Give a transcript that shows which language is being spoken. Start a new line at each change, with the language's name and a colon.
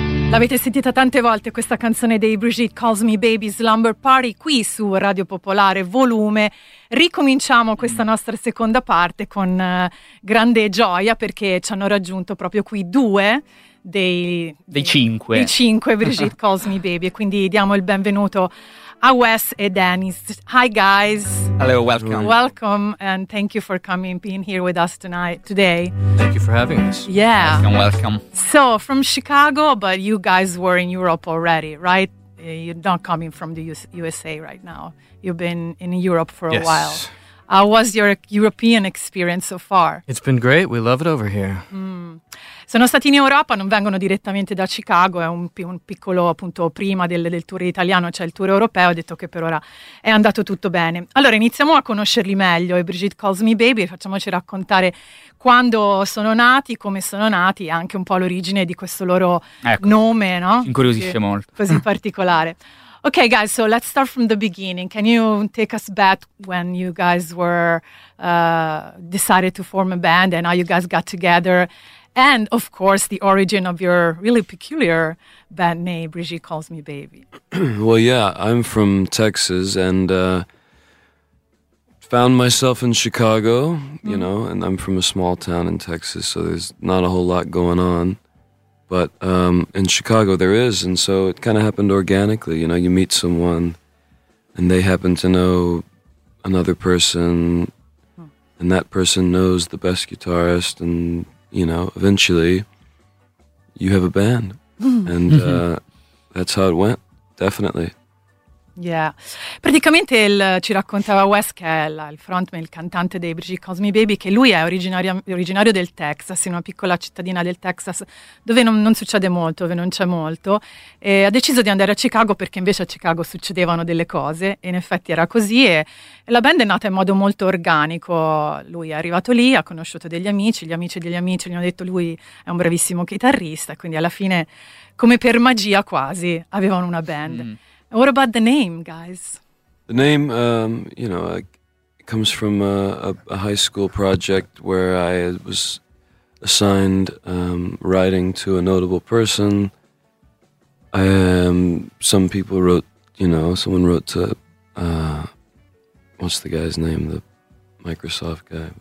Italian: L'avete sentita tante volte questa canzone dei Brigitte Calls Me Baby Slumber Party qui su Radio Popolare Volume. Ricominciamo questa nostra seconda parte con grande gioia perché ci hanno raggiunto proprio qui due dei cinque Brigitte Calls Me Baby, e quindi diamo il benvenuto a Wes e Dennis.
English: Hi guys. Hello, welcome. Welcome and thank you for coming, being here with us tonight, today. Thank you for having us. Yeah. Welcome, welcome. So, from Chicago, but you guys were in Europe already, right? You're not coming from the USA right now. You've been in Europe for a while. How was your European experience so far? It's been great. We love it over here.
Italian: Sono stati in Europa, non vengono direttamente da Chicago, è un piccolo, appunto, prima del tour italiano, cioè il tour europeo, ho detto che per ora è andato tutto bene. Allora, iniziamo a conoscerli meglio, i Brigitte Calls Me Baby, facciamoci raccontare quando sono nati, come sono nati, e anche un po' l'origine di questo loro nome, no? Incuriosisce molto. Così particolare.
English: Okay, guys, so let's start from the beginning. Can you take us back when you guys were decided to form a band and how you guys got together? And, of course, the origin of your really peculiar band name, Brigitte Calls Me Baby. Well, yeah, I'm from Texas and found myself in Chicago, you know, and I'm from a small town in Texas, so there's not a whole lot going on. But in Chicago there is, and so it kind of happened organically. You know, you meet someone and they happen to know another person, and that person knows the best guitarist, and you know, eventually you have a band. And that's how it went, definitely. Yeah.
Italian: Praticamente ci raccontava Wes, che è il frontman, il cantante dei Brigitte Calls Me Baby, che lui è originario del Texas, in una piccola cittadina del Texas dove non succede molto, dove non c'è molto, e ha deciso di andare a Chicago perché invece a Chicago succedevano delle cose, e in effetti era così, e la band è nata in modo molto organico. Lui è arrivato lì, ha conosciuto degli amici, gli amici degli amici gli hanno detto lui è un bravissimo chitarrista, quindi alla fine, come per magia quasi, avevano una band.
English: What about the name, guys? The name, you know, it comes from a high school project where I was assigned writing to a notable person. Some people wrote, you know, someone wrote to, what's the guy's name, the Microsoft guy?